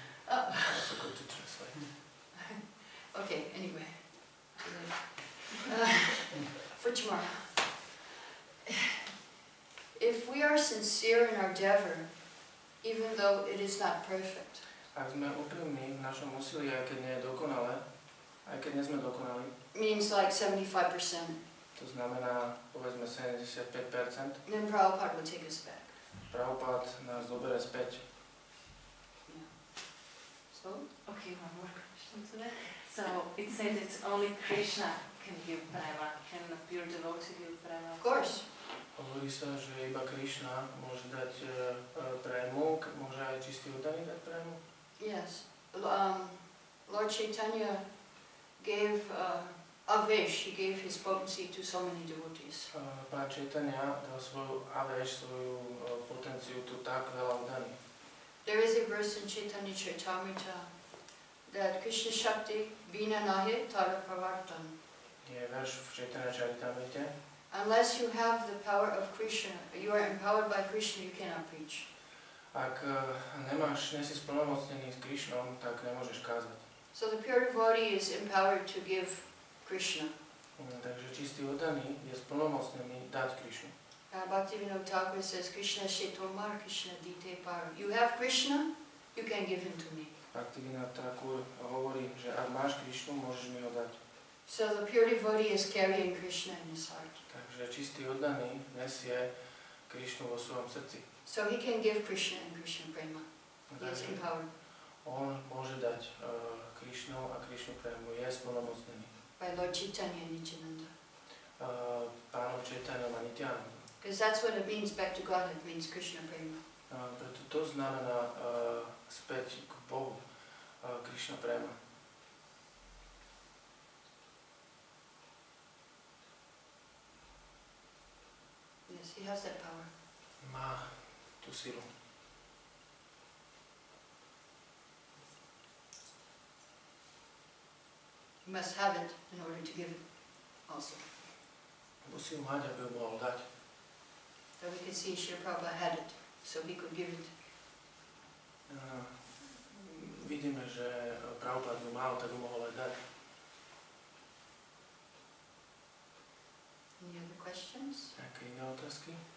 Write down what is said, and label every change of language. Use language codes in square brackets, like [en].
[en] I forgot to translate. Okay, anyway. For tomorrow. If we are sincere in our endeavor, even though it is not perfect. [sk] Ak sme úprimní v našom úsilí, aj keď nie je dokonalé, aj keď nie sme dokonali. [en] Means like 75%. [sk] To znamená, povedzme 75%. [en] Then Prabhupada will take us back. [sk] Prabhupada nás zoberie späť. Yeah. [en] So, okay, one more question today. So, it says it's only Krishna can give prema, can a pure devotee give prema. Of course. [sk] Hovorí sa, že iba Krishna môže dať prému, môže aj čistý oddaný dať prému? [en] Yes. Lord Chaitanya gave avesh, he gave his potency to so many devotees. [sk] Pán Chaitanya dal svoju avesh, svoju potenciu tu tak veľa oddaný. [en] There is a verse in Chaitanya Charitamrita that [bn] Krishna Shakti Bina Nahi Tara Pravartan. [sk] Je verš v Chaitanya Charitamrite. [en] Unless you have the power of Krishna, you are empowered by Krishna, you cannot preach. [sk] Ak nemáš, nie si splnomocnený s Krishnom, tak nemôžeš kázať. [en] So the pure devotee is empowered to give Krishna. [sk] Takže čistý oddaný je splnomocnený dať Krishnu. [en] Bhaktivinoda Thakura says, [bn] Krishna Shetomar, Krishna Dite Paru. [en] You have Krishna, you can give him to me. [sk] Bhaktivinoda Thakura hovorí, že ak máš Krishnu, môžeš mi ho dať. [en] So the pure devotee is carrying Krishna in his heart. [sk] Takže čistý oddaný nesie Krishnu vo svojom srdci. [en] So he can give Krishna and Krishna prema. He is empowered. [sk] On môže dať Krishnu a Krishnu prema. Je splnomocnený. [en] By Lord Chaitanya Nityananda. [sk] Pánom Chaitanyom a Nityanom. [en] Because that's what it means back to God. It means Krishna prema. [sk] Preto to znamená späť k Bohu. Krishna prema. [en] She has that power. [sk] Má tú silu. [en] You must have it in order to give it also. [sk] Musí ju mať, aby ju mohol dať. [en] That we could see she probably had it, so we could give it. [sk] Vidíme, že Prabhupada ju mal, tak ju mohol aj dať. [en] Any other questions? [sk] Nejaké iné otázky?